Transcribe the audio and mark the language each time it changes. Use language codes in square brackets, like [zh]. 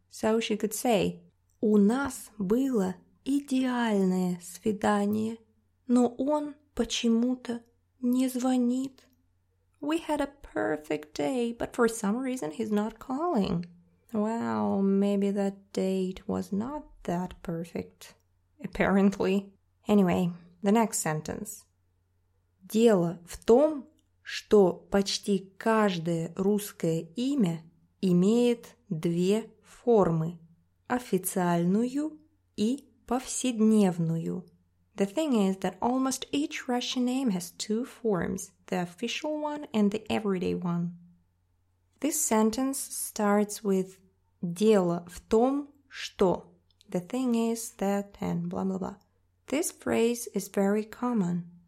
[en] So she could say, [ru] у нас было идеальное свидание, но он почему-то не звонит. [en] We had a perfect day, but for some reason he's not calling. Well, maybe that date was not that perfect, apparently. Anyway, the next sentence. [ru] Дело в том, что почти каждое русское имя имеет 2 формы – официальную и повседневную. [en] The thing is that almost each Russian name has 2 forms – the official one and the everyday one. This sentence starts with [ru] «дело в том, что» [en] – the thing is that and blah blah blah. This phrase is very common.